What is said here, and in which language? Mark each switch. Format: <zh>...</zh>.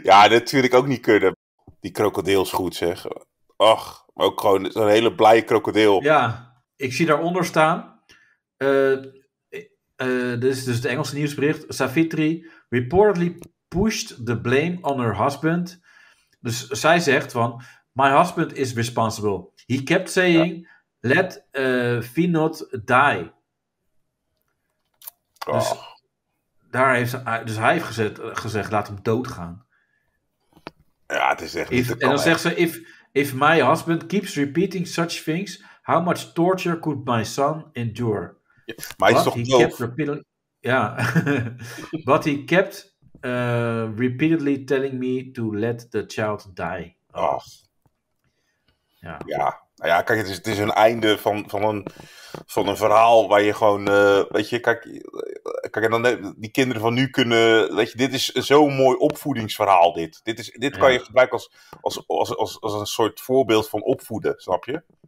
<nl>ja, dat vind ik ook niet kunnen. Die krokodil is goed, zeg. Ach, maar ook gewoon zo'n hele blije krokodil. Ja, ik zie daaronder staan... dit is dus het Engelse nieuwsbericht.</nl> <en>Savitri reportedly pushed the blame on her husband.</en> <nl>Dus zij zegt van...</nl> <en>My husband is responsible. He kept saying, let Finot die. Oh.</en> <nl>Dus, daar heeft ze, dus hij heeft gezegd, laat hem doodgaan. Ja, het is echt niet en dan zegt ze,</nl> <en>if my husband keeps repeating such things, how much torture could my son endure?</en> <nl>Ja, maar hij is toch dood? Ja.</nl> <en>But he kept repeatedly telling me to let the child die. Oh.</en> <nl>Ja. Nou ja, kijk, het is een einde van een verhaal waar je gewoon, weet je, kijk, en dan die kinderen van nu kunnen, weet je, dit is zo'n mooi opvoedingsverhaal dit. Dit ja. kan je gebruiken als een soort voorbeeld van opvoeden, snap je?</nl>